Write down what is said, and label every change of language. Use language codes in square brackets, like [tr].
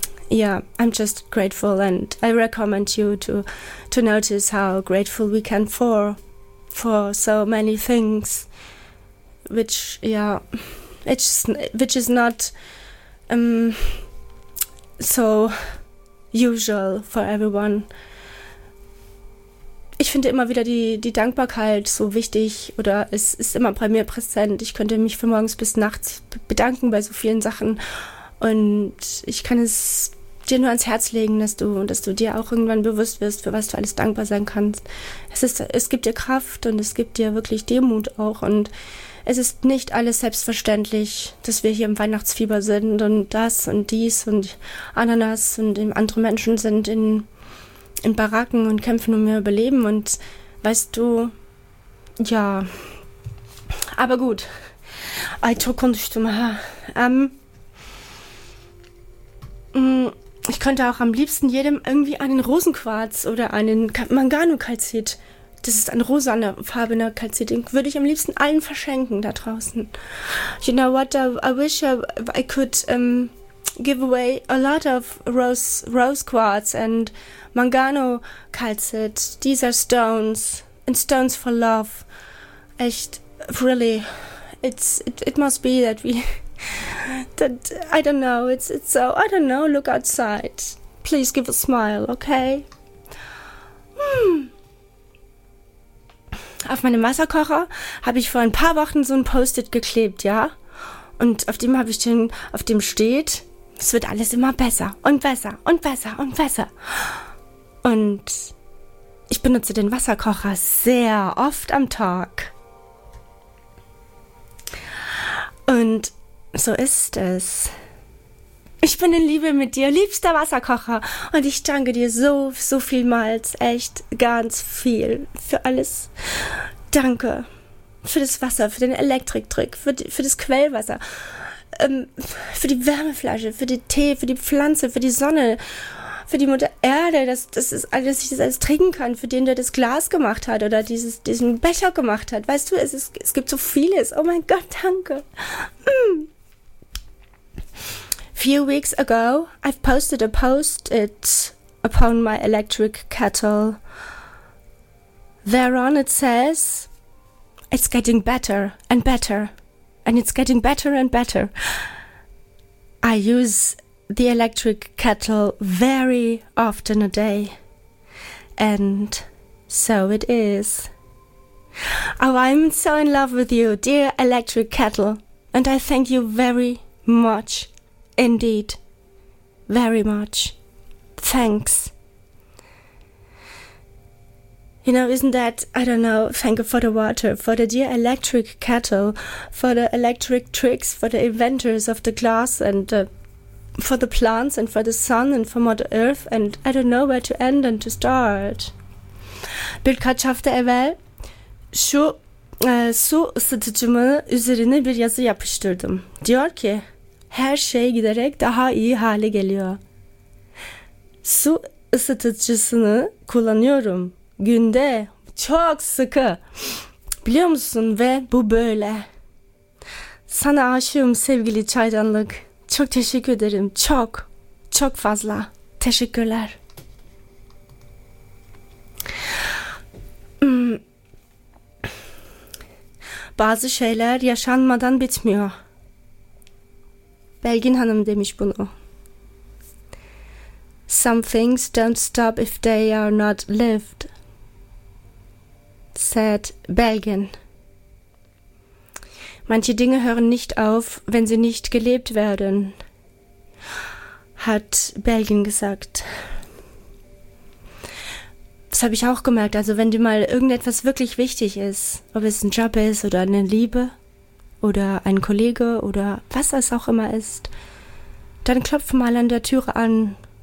[en] yeah, I'm just grateful, and I recommend you to notice how grateful we can for so many things, which is not so usual for everyone. [de] Ich finde immer wieder die Dankbarkeit so wichtig, oder es ist immer bei mir präsent. Ich könnte mich von morgens bis nachts bedanken bei so vielen Sachen, und ich kann es dir nur ans Herz legen, dass du dir auch irgendwann bewusst wirst, für was du alles dankbar sein kannst. Es gibt dir Kraft und es gibt dir wirklich Demut auch. Und es ist nicht alles selbstverständlich, dass wir hier im Weihnachtsfieber sind und das und dies und Ananas und andere Menschen sind in Baracken und kämpfen um ihr Überleben. Und weißt du, ja, aber gut. Ich könnte auch am liebsten jedem irgendwie einen Rosenquarz oder einen Mangano-Kalzit, das ist ein rosanefarbener Kalzit, den würde ich am liebsten allen verschenken da draußen. [en] You know what, I wish I could give away a lot of rose quartz and Mangano-Kalzit. These are stones, and stones for love. [de] Echt, [en] really. It must be that we... That, I don't know, it's so... I don't know, look outside. Please give a smile, okay? [de] Auf meinem Wasserkocher habe ich vor ein paar Wochen so ein Post-it geklebt, ja? Und auf dem habe ich den... Auf dem steht, es wird alles immer besser und besser und besser und besser. Und ich benutze den Wasserkocher sehr oft am Tag. Und so ist es. Ich bin in Liebe mit dir, liebster Wasserkocher. Und ich danke dir so, so vielmals, echt ganz viel für alles. Danke für das Wasser, für den Elektriktrick, für das Quellwasser, für die Wärmeflasche, für den Tee, für die Pflanze, für die Sonne, für die Mutter Erde, dass ich das alles trinken kann, für den, der das Glas gemacht hat oder diesen Becher gemacht hat. Weißt du, es gibt so vieles. Oh mein Gott, danke. [en] Few weeks ago, I've posted a post-it upon my electric kettle. Thereon it says, it's getting better and better. And it's getting better and better. I use the electric kettle very often a day. And so it is. Oh, I'm so in love with you, dear electric kettle. And I thank you very much. Indeed. Very much. Thanks. You know, isn't that, I don't know, thank you for the water, for the dear electric kettle, for the electric tricks, for the inventors of the glass and the for the plants and for the sun and for Mother Earth, and I don't know where to end and to start. [tr] Birkaç hafta evvel şu su ısıtıcımı üzerine bir yazı yapıştırdım. Diyor ki, her şey giderek daha iyi hale geliyor. Su ısıtıcısını kullanıyorum günde çok sıkı. Biliyor musun? Ve bu böyle. Sana aşığım sevgili çaydanlık. Çok teşekkür ederim. Çok, çok fazla. Teşekkürler. Bazı şeyler yaşanmadan bitmiyor. Belgin Hanım demiş bunu. [en] Some things don't stop if they are not lived, said Belgin. [de] Manche Dinge hören nicht auf, wenn sie nicht gelebt werden, hat Belgin gesagt. Das habe ich auch gemerkt. Also wenn dir mal irgendetwas wirklich wichtig ist, ob es ein Job ist oder eine Liebe oder ein Kollege oder was es auch immer ist, dann klopf mal an der Türe an.